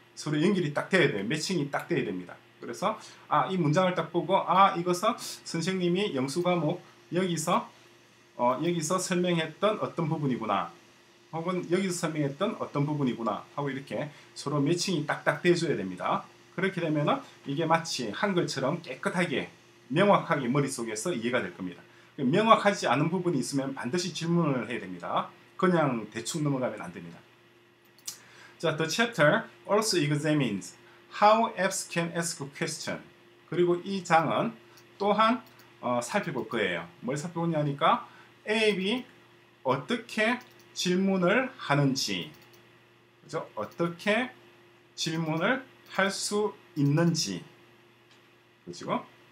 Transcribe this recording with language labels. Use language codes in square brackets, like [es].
[ko] 서로 연결이 딱 돼야 돼요. 매칭이 딱 돼야 됩니다. 그래서 아, 이 문장을 딱 보고 아, 이것은 선생님이 영수 과목 여기서 설명했던 어떤 부분이구나 혹은 여기서 설명했던 어떤 부분이구나 하고 이렇게 서로 매칭이 딱딱 돼줘야 됩니다. 그렇게 되면 이게 마치 한글처럼 깨끗하게 명확하게 머릿속에서 이해가 될 겁니다. 명확하지 않은 부분이 있으면 반드시 질문을 해야 됩니다. 그냥 대충 넘어가면 안 됩니다. [en] 자, The chapter also examines how apps can ask questions. [ko] 그리고 이 장은 또한 살펴볼 거예요. 뭘 살펴보냐니까 앱이 어떻게 질문을 하는지, 그죠? 어떻게 질문을 할 수 있는지, 그죠?